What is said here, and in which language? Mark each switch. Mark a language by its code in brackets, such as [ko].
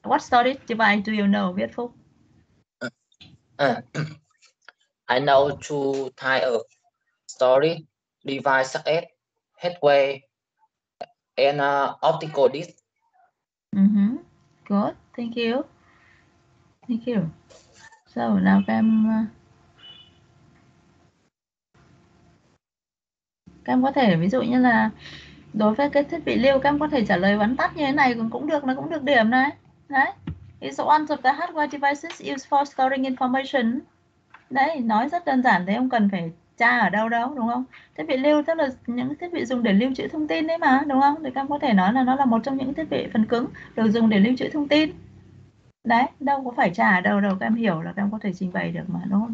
[en] What storage device do you know, Việt Phúc? I know two types of storage device, such as headway and optical disk. Good. Thank you. Thank you. [vi] So now Cam, Cam có thể ví dụ như là đối với cái thiết bị lưu, các em có thể trả lời vắn tắt như thế này cũng được, nó cũng được điểm này. Đấy. [en] It's one of the hardware devices used for storing information. [vi] Đấy, nói rất đơn giản, thế không cần phải tra ở đâu đâu, đúng không? Thiết bị lưu tức là những thiết bị dùng để lưu trữ thông tin đấy mà, đúng không? Thì các em có thể nói là nó là một trong những thiết bị phần cứng được dùng để lưu trữ thông tin. Đấy, đâu có phải tra ở đâu đâu, các em hiểu là các em có thể trình bày được mà, đúng không?